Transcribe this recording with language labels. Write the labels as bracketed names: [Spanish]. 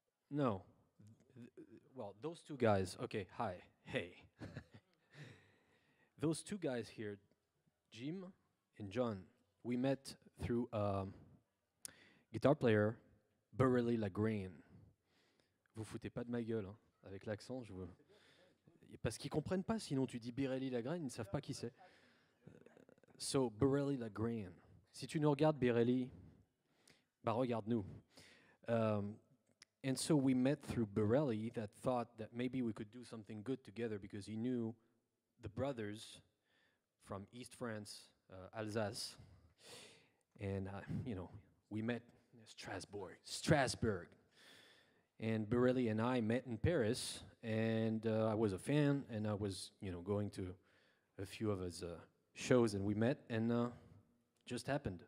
[English] No. Well, those two guys. Okay. Hi. Hey. Those two guys here, Jim and John, we met through a guitar player, Biréli Lagrène. [French] Vous foutez pas de ma gueule, hein, avec l'accent, je veux. Parce qu'ils comprennent pas, sinon tu dis Biréli Lagrène, ils ne savent pas qui c'est. So, Biréli Lagrène. Si tu nous regardes, Biréli, bah regarde-nous. [English] And so we met through Biréli that thought that maybe we could do something good together because he knew the brothers from East France, Alsace, and you know, we met Strasbourg, and Biréli and I met in Paris, and I was a fan, and I was, you know, going to a few of his shows, and we met, and just happened.